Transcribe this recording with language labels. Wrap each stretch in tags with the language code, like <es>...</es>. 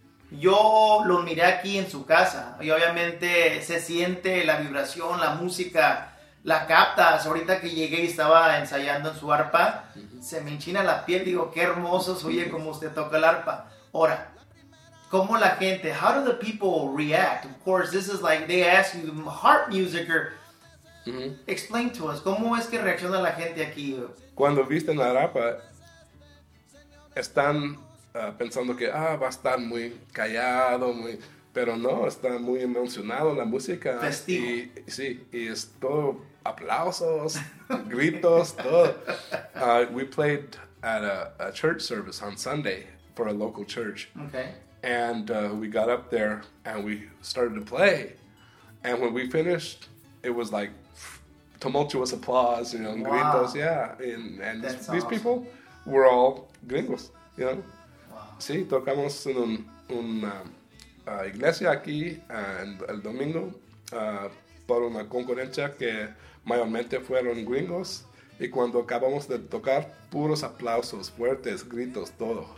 <es>Yo los miré aquí en su casa y obviamente se siente la vibración, la música, la captas. Ahorita que llegué y estaba ensayando en su arpa, se me enchina la piel. Digo, qué hermoso se oye como usted toca el arpa. Ahora, ¿cómo la gente?</es> <en>How do the people react? Of course, this is like they ask you, harp music or... Mm-hmm. Explain to us,</en> <es>¿cómo es que reacciona la gente aquí? Cuando viste la arpa, están pensando que va a estar muy callado, muy... Pero no, está muy emocionado la música. Festivo. Y, sí, y es todo aplausos, gritos, todo.</es> <en>We played at a church service on Sunday for a local church. Okay. And we got up there and we started to play. And when we finished, it was like tumultuous applause, you know, and gritos. Yeah, and these people were all gringos, you know. Wow.</en> <es>Sí, tocamos en iglesia aquí el domingo por una concurrencia que mayormente fueron gringos y cuando acabamos de tocar puros aplausos, fuertes, gritos, todo.</es>